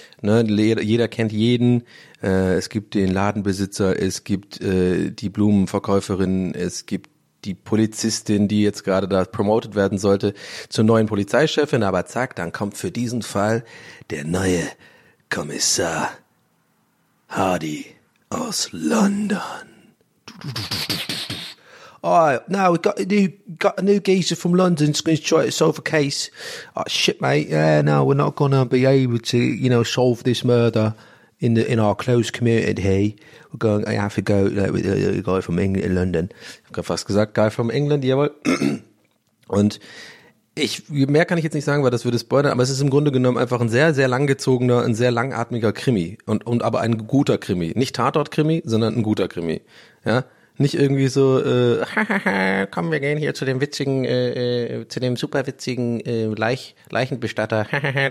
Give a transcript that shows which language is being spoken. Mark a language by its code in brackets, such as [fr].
[de] Ne, jeder kennt jeden. Es gibt den Ladenbesitzer, es gibt die Blumenverkäuferin, es gibt die Polizistin, die jetzt gerade da promoted werden sollte, zur neuen Polizeichefin. Aber zack, dann kommt für diesen Fall der neue Kommissar Hardy aus London. [en] Oh, now we got a new geezer from London who's going to try to solve a case. Oh, shit, mate. Yeah, no, we're not going to be able to, you know, solve this murder in our close community here. We're going to have to go with a guy from England in London. [de] Ich hab fast gesagt, [en] guy from England, [de] jawohl. Und ich, mehr kann ich jetzt nicht sagen, weil das würde spoilern, aber es ist im Grunde genommen einfach ein sehr, sehr langgezogener, ein sehr langatmiger Krimi. Und aber ein guter Krimi. Nicht Tatort-Krimi, sondern ein guter Krimi. Ja. Nicht irgendwie so, komm, wir gehen hier zu dem witzigen, zu dem super witzigen Leichenbestatter.